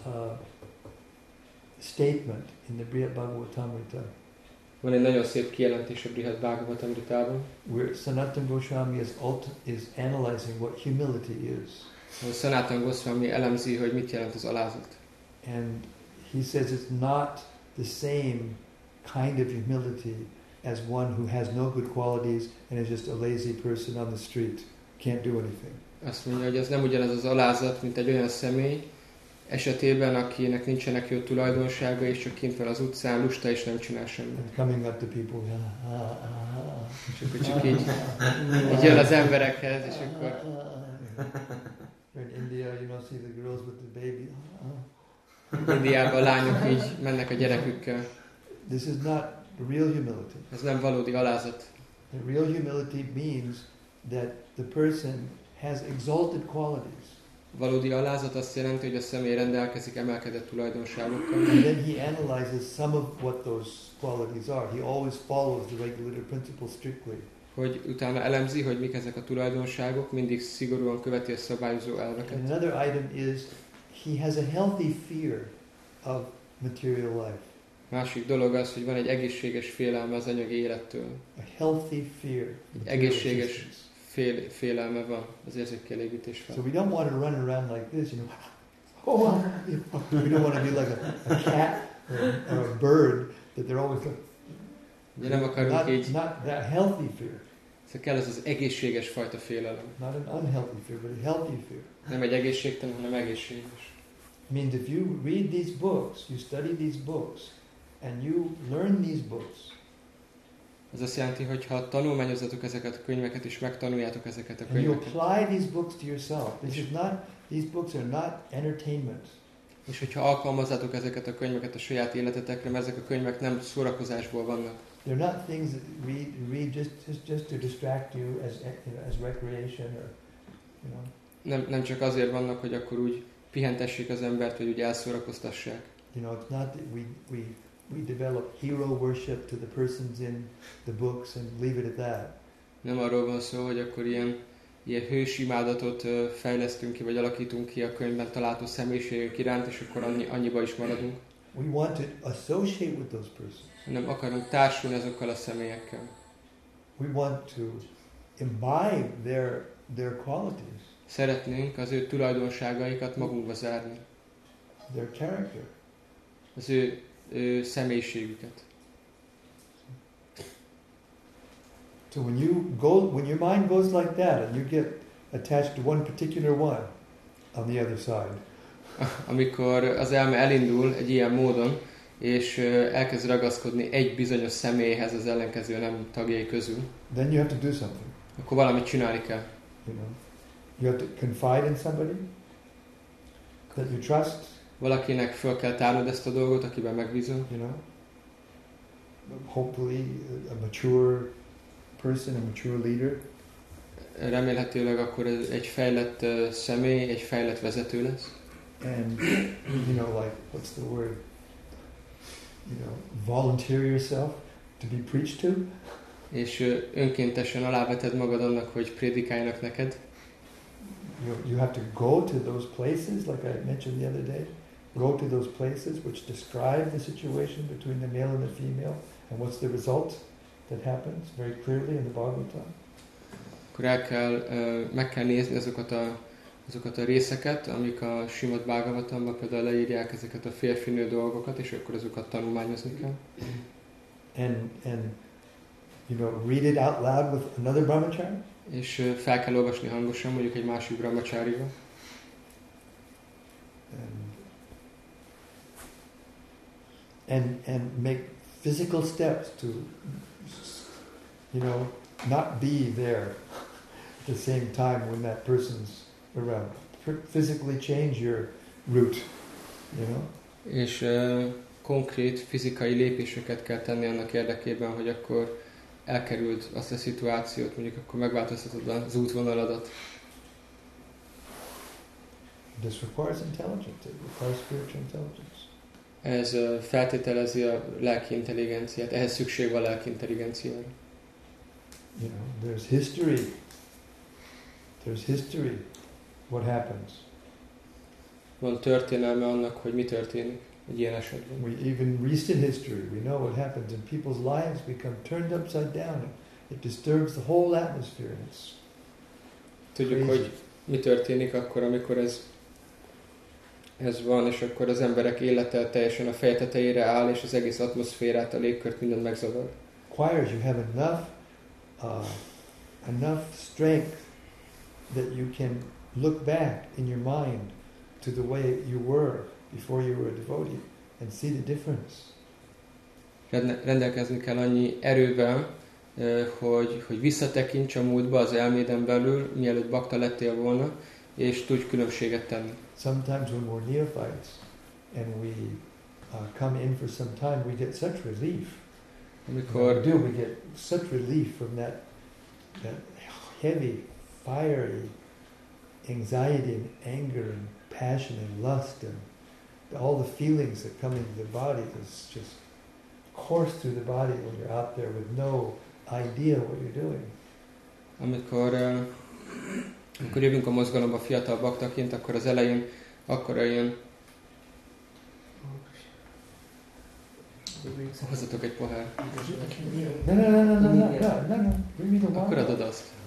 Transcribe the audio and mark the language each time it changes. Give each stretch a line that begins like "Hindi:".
English: There's a nice statement in the Brihat Bhagavatamrita.
Hungarian: Van egy nagyon szép kijelentés a Brihat Bhagavatamritában.
English: Where Sanatana Goswami is analyzing what humility is.
Hungarian: Sanatana Goswami elemzi, hogy mit jelent az alázat.
English: And he says it's not the same kind of humility as one who has no good qualities and is just a lazy person on the street, can't do anything.
Hungarian: Azt mondja, hogy ez nem ugyanaz az alázat, mint egy olyan személy esetében, akinek nincsenek jó tulajdonsága, és csak kint van az utcán, lusta és nem csinál semmit.
English: And coming up to people, yeah.
Hungarian: csak így jön az emberekhez, és akkor...
English: In India, you don't see the girls with the baby.
Hungarian: Indiában a lányok így mennek a gyerekükkel.
English: This is not real humility.
Hungarian: Ez nem valódi alázat.
English: The real humility means that the person has exalted qualities.
Hungarian: Valódi alázat azt jelenti, hogy a személy rendelkezik emelkedett tulajdonságokkal.
English: And then he analyzes some of what those qualities are. He always follows the regulative principle strictly.
Hungarian: Hogy utána elemzi, hogy mik ezek a tulajdonságok, mindig szigorúan követi a szabályozó elveket.
English: And another item is he has a healthy fear of material life.
Hungarian: Másik dolog az, hogy van egy egészséges félelme az anyagi élettől.
English: A healthy fear.
Hungarian: Egy egészséges félelme van az érzékkielégítés felé.
English: So we don't want to run around like this, you know. Oh, we don't want to be like a cat or a bird that they're always like.
Hungarian: Nem akarunk így.
English: Not that healthy fear.
Hungarian: Szóval kell ez az egészséges fajta félelem.
English: Not an unhealthy fear, but a healthy fear.
Hungarian: Nem egy egészségtelen, hanem egészséges.
English: I mean, if you read these books, you study these books, and you learn these books.
Hungarian: Ez azt jelenti, hogy ha tanulmányozzatok ezeket a könyveket és megtanuljátok ezeket a könyveket.
English: And you apply these books to yourself. These books are not entertainment.
Hungarian: És hogyha alkalmazzátok ezeket a könyveket a saját életetekre, mert ezek a könyvek nem szórakozásból vannak.
English: They're not things that read just to distract you as, you know, as recreation or, you know.
Hungarian: Nem csak azért vannak, hogy akkor úgy pihentessék az embert, hogy úgy elszórakoztassák.
English: You know, it's not that we develop hero worship to the persons in the books and leave it at that.
Hungarian: Nem arról van szó, hogy akkor ilyen hős imádatot fejlesztünk ki, vagy alakítunk ki a könyvben található személyiségek iránt, és akkor annyiba is maradunk.
English: We want to associate with those persons.
Hungarian: Nem akarunk társulni azokkal a személyekkel.
English: We want to imbibe their qualities.
Hungarian: Szeretnénk az ő tulajdonságaikat magunkba zárni.
English: Their character.
Hungarian: Az ő személyiségüket.
English: So when your mind goes like that and you get attached to one particular one on the other side.
Hungarian: Amikor az elme elindul egy ilyen módon, és elkezd ragaszkodni egy bizonyos személyhez az ellenkező nem tagjai közül.
English: Then you have to do something.
Hungarian: Akkor valamit csinálni kell.
English: You know? You have to confide in somebody that you trust.
Hungarian: Valakinek föl kell tárnod ezt a dolgot, akiben megbízol.
English: You know? Hopefully a mature person, a mature leader.
Hungarian: Remélhetőleg akkor egy fejlett személy, egy fejlett vezető lesz.
English: And you know, like, what's the word? You know, volunteer yourself to be preached to.
Hungarian: És önkéntesen aláveted magad annak, hogy prédikáljanak neked.
English: You have to go to those places, like I mentioned the other day. go to those places which describe the situation between the male and the female, and what's the result that happens very clearly in the Bhagavatam.
Hungarian: Akkor el kell, meg kell nézni azokat a, azokat a részeket, amik a Srimad Bhagavatamban például leírják ezeket a férfinő dolgokat, és akkor azokat tanulmányozni kell.
English: And you know, read it out loud with another brahmachari.
Hungarian: És fel kell olvasni hangosan, mondjuk egy másik brahmacharival.
English: And make physical steps to, you know, not be there at the same time when that person's around. Physically change your route, you know.
Hungarian: És konkrét fizikai lépéseket kell tenni annak érdekében, hogy akkor elkerüld azt a szituációt, mondjuk akkor megváltoztatod az útvonaladat.
English: This requires intelligence. It requires spiritual intelligence.
Hungarian: Ez feltételezi a lelki intelligenciát. Ehhez szükség van a lelki intelligenciára.
English: You know, there's history. There's history. What happens?
Hungarian: Van történelme annak, hogy mi történik egy ilyen esetben.
English: We even recent history, we know what happens, and people's lives become turned upside down. It disturbs the whole atmosphere. It's
Hungarian: tudjuk,
English: crazy.
Hungarian: Hogy mi történik akkor, amikor ez ez van, és akkor az emberek élete teljesen a feje tetejére áll, és az egész atmoszférát, a légkört, mindent megzavar.
English: Requires you have enough strength that you can look back in your mind to the way you were before you were a devotee and see the difference.
Hungarian: Rendelkezni kell annyi erővel, hogy visszatekints a múltba az elméden belül, mielőtt bakta lettél volna, és tudj különbséget tenni.
English: Sometimes when we're neophytes and we come in for some time, we get such relief.
Hungarian: Amikor
English: do we get such relief from that heavy, fiery anxiety and anger and passion and lust and all the feelings that come into the body is just course through the body when you're out there with no idea what you're doing.
Hungarian: Amikor jövünk a mozgalomba fiatal baktaként, akkor az elején akkor jön. Hozzatok egy pohár.
English: No.
Hungarian: Akkor adod azt.